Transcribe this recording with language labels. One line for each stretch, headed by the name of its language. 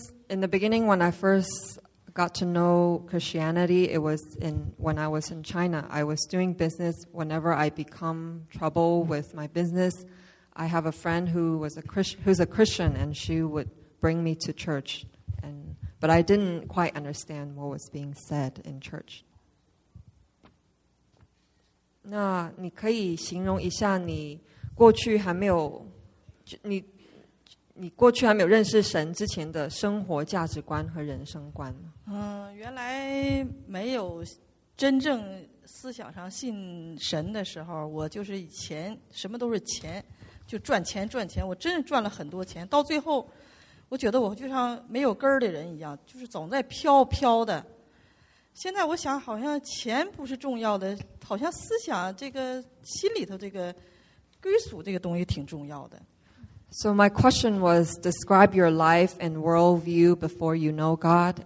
English: In the beginning, when I first got to know Christianity, it was when I was in China. I was doing business. Whenever I become trouble with my business, I have a friend who's a Christian, and she would bring me to church. But I didn't quite understand what was being said in church.
Chinese: 那你可以形容一下你过去还没有，你过去还没有认识神之前的生活价值观和人生观吗？原来没有真正思想上信神的时候，我就是以前什么都是钱，就赚钱赚钱，我真是赚了很多钱。到最后，我觉得我就像没有根儿的人一样，就是总在飘飘的。现在我想，好像钱不是重要的，好像思想这个心里头这个归属这个东西挺重要的。
English: So my question was, describe your life and worldview before you know God.